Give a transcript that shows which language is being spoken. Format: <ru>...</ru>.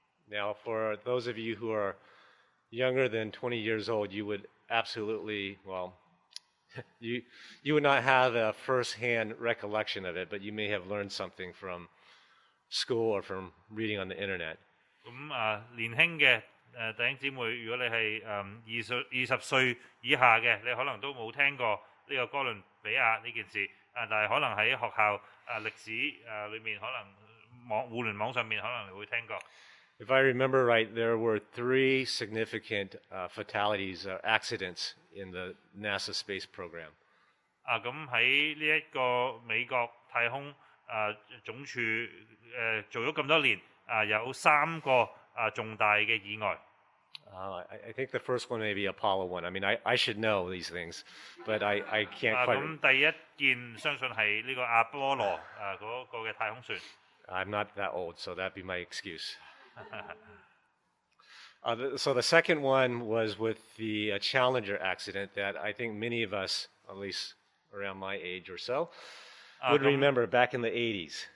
<en>Now, for those of you who are younger than 20 years old, you would absolutely, well, you would not have a first-hand recollection of it, but you may have learned something from school or from reading on the internet.</en> <yue>年輕嘅弟兄姊妹，如果你係二十歲以下嘅，你可能都冇聽過呢個哥倫比亞呢件事啊，但係可能喺學校歷史裏面，可能互聯網上面可能你會聽過。</yue> <en>If I remember right, there were three significant fatalities or accidents in the NASA space program.</en> <yue>咁喺呢一個美國太空總署做咗咁多年有三個重大嘅意外。</yue> <en>I think the first one may be Apollo 1. I mean, I should know these things, but I can't quite.</en> <yue>咁第一件相信係呢個阿波羅嗰個嘅太空船。</yue> <en>I'm not that old, so that'd be my excuse. So the second one was with the Challenger accident that I think many of us, at least around my age or so, would remember back in the 80s.</en>